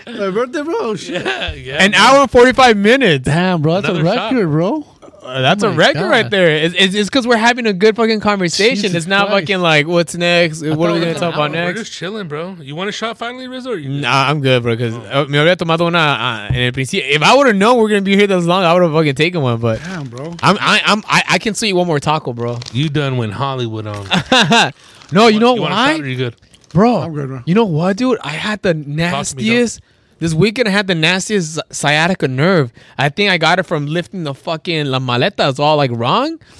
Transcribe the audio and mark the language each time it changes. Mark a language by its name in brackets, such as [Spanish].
[English] birthday, bro. Shit. Yeah. An hour and 45 minutes. Damn, bro. That's another a record, shot. Bro. that's a record right there. It's because we're having a good fucking conversation. Jesus, it's not Christ. Fucking like, what's next? What are we going to talk about next? We're just chilling, bro. You want a shot finally, Rizzo? Nah, I'm good, bro. Because [Spanish] me había tomado una en el principio. [English] If I would have known we're going to be here this long, I would have fucking taken one. But damn, bro. I can see one more taco, bro. You done went Hollywood on. No, you know why? You want a shot or you good? Bro, I'm good, bro. You know what, dude? I had the nastiest... This weekend, I had the nastiest sciatica nerve. I think I got it from lifting the fucking [Spanish] la maleta. [English] It's all, like, wrong.